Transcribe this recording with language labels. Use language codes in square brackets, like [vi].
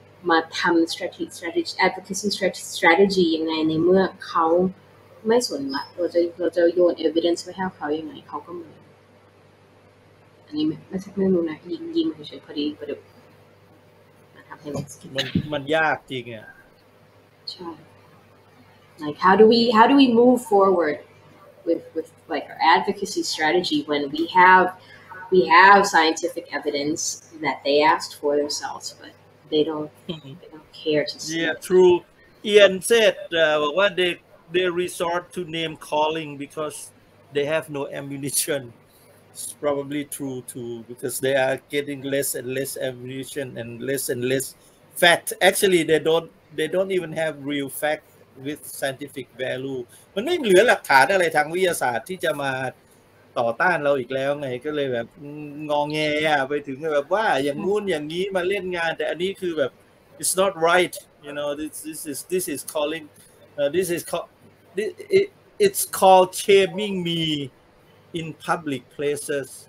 [th] มาทำ [en] strategy advocacy strategy [th] ยังไงในเมื่อเขาไม่สนละเราจะโยน evidence ไปให้เขายังไงเขาก็ไม่อันนี้ไม่ใช่ไม่รู้นะยิงเฉยๆพอดีประเดี๋ยวมาทำให้ มันมันยากจริงอ่ะ ใช่ [en] like how do we move forward with like our advocacy strategy when we have scientific evidence that they asked for themselves but They don't care to see. Yeah, true. Ian said, "What they resort to name calling because they have no ammunition." It's probably true too because they are getting less and less ammunition and less fact. Actually, they don't even have real fact with scientific value. [th] มันไม่เหลือหลักฐานอะไรทางวิทยาศาสตร์ที่จะมาต่อต้านเราอีกแล้วไงก็เลยแบบงองแงอ่ะไปถึงแบบว่าอย่างงู้นอย่างงี้มาเล่นงานแต่อันนี้คือแบบ [en] it's not right you know this is calling this is called it's called shaming me in public places